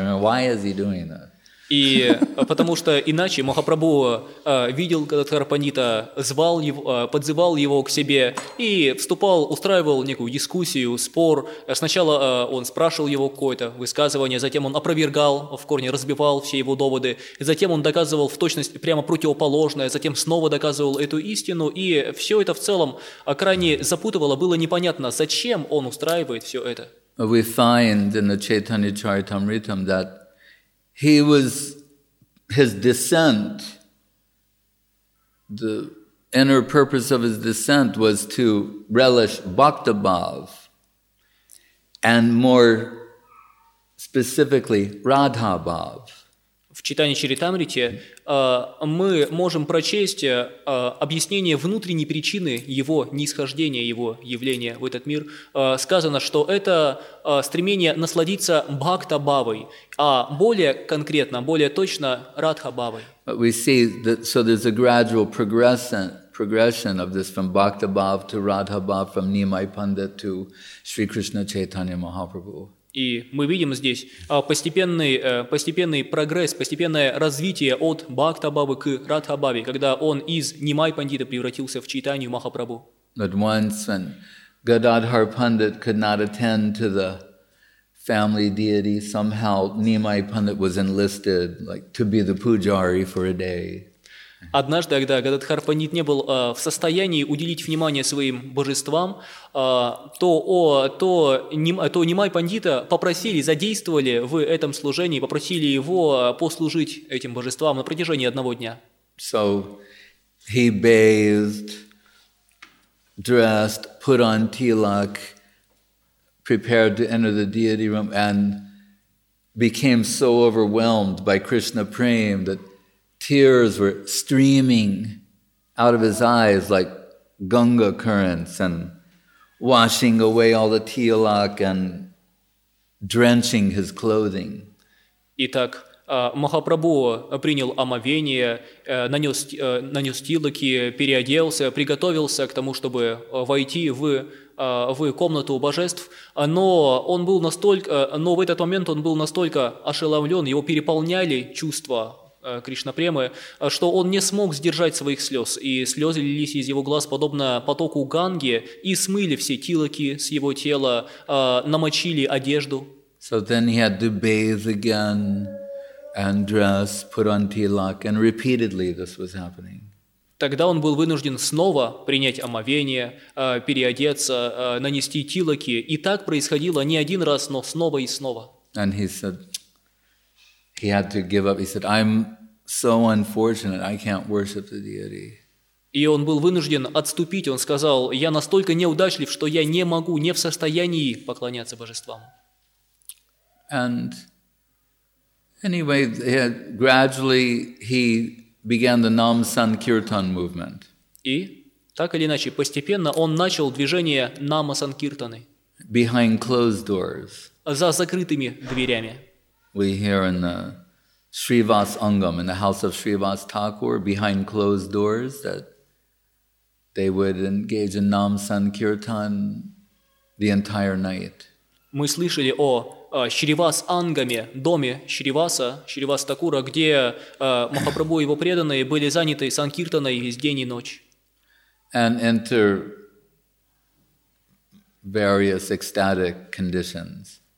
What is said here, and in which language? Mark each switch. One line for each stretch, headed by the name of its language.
English: They're like, "Why is he doing that?"
Russian: И потому что иначе Махапрабху видел Гададхар Пандита, звал его, подзывал его к себе и вступал, устраивал некую дискуссию, спор. Сначала он спрашивал его какое-то высказывание, затем он опровергал, в корне разбивал все его доводы, затем он доказывал в точность прямо противоположное, затем снова доказывал эту истину, и все это в целом крайне запутывало, было непонятно, зачем он устраивает все это.
English: We find in the Chaitanya Charitamrita that he was, his descent, the inner purpose of his descent was to relish bhakta bhav, and more specifically, radha bhav.
Russian: В читании Чаритамрите мы можем прочесть объяснение внутренней причины его нисхождения, его явления в этот мир. Сказано, что это стремление насладиться бхакта-бхавой, а более конкретно, более точно, радха-бхавой.
English: We see that, so there's a gradual progression of this from bhakta-bhav to radha-bhav, from Nimai Pandit to Sri Krishna Chaitanya Mahaprabhu.
Russian: И мы видим здесь постепенный прогресс, постепенное развитие от бхакта-бхавы к радха-бхаве, когда он из Нимай-пандита превратился в Чайтанью Махапрабху.
English: But once when Gadadhar Pandit could not attend to the family deity, somehow Nimai Pandit was enlisted like, to be the pujari for a day.
Russian: Однажды, когда Гададхар Пандит не был в состоянии уделить внимание своим божествам, то Нимай Пандита попросили, задействовали в этом служении, попросили его послужить этим божествам на протяжении одного дня.
English: So he bathed, dressed, put on tilak, prepared to enter the deity room, and became so overwhelmed by Krishna Prem that tears were streaming out of his eyes like Ganga currents and washing away all the tilak and drenching his clothing.
Russian: Итак, Махапрабху принял омовение, нанес тилаки, переоделся, приготовился к тому, чтобы войти в комнату божеств, но он был настолько, но в этот момент он был настолько ошеломлен, его переполняли чувства Кришнапремы, что он не смог сдержать своих слез, и слезы лились из его глаз, подобно потоку Ганги, и смыли все тилаки с его тела, намочили одежду.
English: So then he had to bathe again, and dress, put on tilak, and repeatedly this was happening.
Russian: Тогда он был вынужден снова принять омовение, переодеться, нанести тилаки, и так происходило не один раз, но снова и снова.
English: And he said, he had to give up. He said, "I'm so unfortunate. I can't worship the deity."
Russian: И он был вынужден отступить. Он сказал, "Я настолько неудачлив, что я не могу, не в состоянии поклоняться божествам."
English: And anyway, gradually he began the Nam Sankirtan movement.
Russian: И так или иначе, постепенно он начал движение Нама Санкиртаны.
English: Behind closed doors.
Russian: За закрытыми дверями.
English: We hear in the Srivas Angam, in the house of Srivas Thakur, behind closed doors, that they would engage in Nam Sankirtan the entire night.
Russian: Мы слышали о Шривас Ангаме, доме Шриваса, Шривас Такура, где Махапрабху и его преданные были заняты санкиртаной весь день и ночь.
English: And enter various ecstatic conditions.